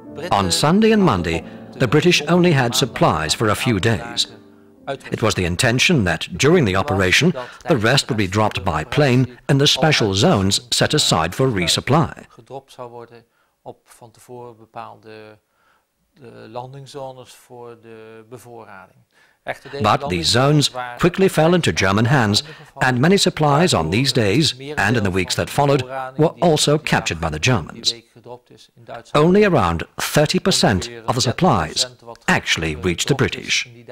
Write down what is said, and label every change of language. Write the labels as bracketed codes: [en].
[en] On Sunday and Monday, the British only had supplies for a few days. It was the intention that during the operation, the rest would be dropped by plane in the special zones set aside for resupply. [nl] Gedropt zou worden op van tevoren bepaalde landingszones voor de bevoorrading. [en] But these zones quickly fell into German hands, and many supplies on these days and in the weeks that followed were also captured by the Germans. Only around 30% of the supplies actually reached the British.